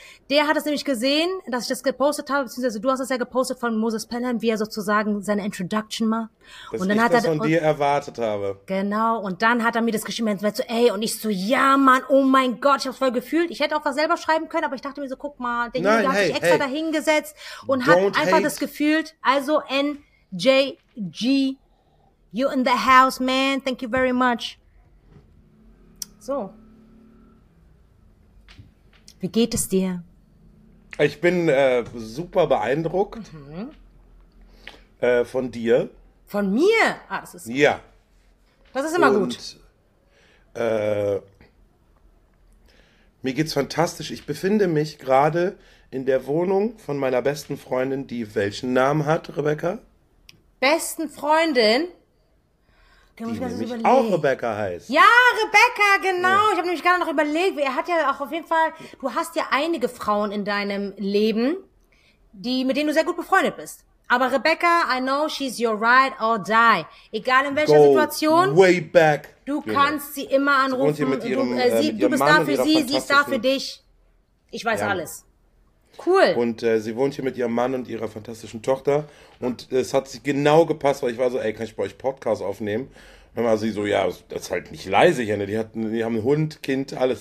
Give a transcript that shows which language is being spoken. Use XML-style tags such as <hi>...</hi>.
<de>Der hat es nämlich gesehen, dass ich das gepostet habe, beziehungsweise du hast es ja gepostet von Moses Pelham, wie er sozusagen seine Introduction macht. Dass ich das von dir erwartet habe. Genau, und dann hat er mir das geschrieben, und so, ey, und ich so, ja, Mann, oh mein Gott, ich hab's voll gefühlt. Ich hätte auch was selber schreiben können, aber ich dachte mir so, guck mal, derjenige hat sich extra dahingesetzt und hat einfach das gefühlt. Also,</de> <en>NJG, you in the house, man, thank you very much.</en> <de>So. Wie geht es dir? Ich bin super beeindruckt von dir. Von mir? Ah, das ist ja. Das ist immer und, gut. Mir geht's fantastisch. Ich befinde mich gerade in der Wohnung von meiner besten Freundin, die welchen Namen hat, Rebecca? Besten Freundin? Die auch Rebecca heißt. Ja, Rebecca, genau. Ja. Ich habe nämlich gerade noch überlegt, er hat ja auch auf jeden Fall, du hast ja einige Frauen in deinem Leben, die mit denen du sehr gut befreundet bist. Aber</de> <en>Rebecca, I know she's your ride or die.</en> <de>Egal in welcher Situation,</de> <en>way back.</en> <de>Du kannst sie immer anrufen. Sie mit ihrem, du bist Mann da für sie, sie ist da für dich. Ich weiß alles. Cool. Und sie wohnt hier mit ihrem Mann und ihrer fantastischen Tochter. Und es hat sich genau gepasst, weil ich war so, ey, kann ich bei euch Podcast aufnehmen? Dann war sie so, ja, das ist halt nicht leise hier. Ne? Die haben Hund, Kind, alles.</de>